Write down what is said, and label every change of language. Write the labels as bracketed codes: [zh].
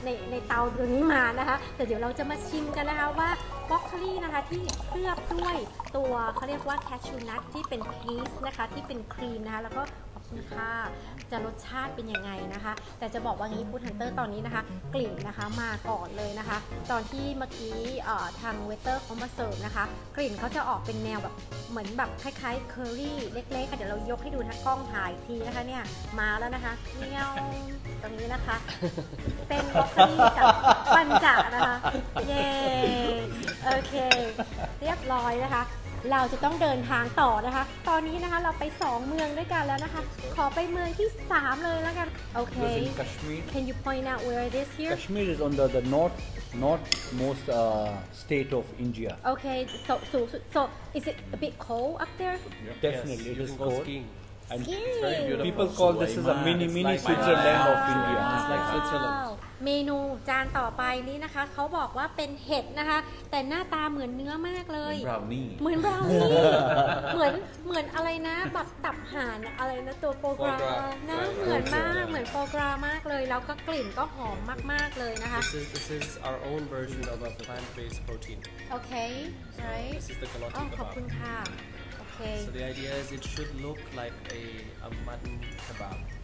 [th] ในเตาตัวนี้มานะคะแต่เดี๋ยวเราจะมาชิมกันนะคะว่าบล็อกเกอรี่นะคะที่เคลือบด้วยตัวเขาเรียกว่าแคชูนัทที่เป็นพีซนะคะที่เป็นครีมนะคะแล้วก็คุณค่าจะรสชาติเป็นยังไงนะคะแต่จะบอกว่างี้ฟู้ดฮันเตอร์ตอนนี้นะคะกลิ่นนะคะมาก่อนเลยนะคะตอนที่เมื่อกี้ทางเวเตอร์เขามาเสิร์ฟนะคะกลิ่นเขาจะออกเป็นแนวแบบเหมือนแบบคล้ายๆเคอรี่เล็กๆค่ะเดี๋ยวเรายกให้ดูทางกล้องถ่ายทีนะคะเนี่ยมาแล้วนะคะเนี่ยตรงนี้นะคะ เป็นบล็อกเกอรี่กับปัญจานะคะเย้โอเคเรียบร้อยนะคะเราจะต้องเดินทางต่อนะคะตอนนี้นะคะเราไป2เมืองด้วยกันแล้วนะคะขอไปเมืองที่3เลยแล้วกันโอเ ค [en] Can you point out where it is here Kashmir is under the northmost state of India Okay so is it a bit cold up there yep. Definitely yes. it is cold and people call this is a mini like Switzerland of India it's like Switzerland [th] เมนูจานต่อไปนี้นะคะเขาบอกว่าเป็นเห็ดนะคะแต่หน้าตาเหมือนเนื้อมากเลย เหมือนบราวนี่ เหมือนอะไรนะแบบตับห่านอะไรนะตัวโปรแกรมนะเหมือนมากเหมือนโปรแกรมมากเลยแล้วก็กลิ่นก็หอมมากๆเลยนะคะ [en] This is our own version of a plant based protein Okay right [th] ขอบคุณค่ะ [en] So the idea is it should look like a mutton kebab.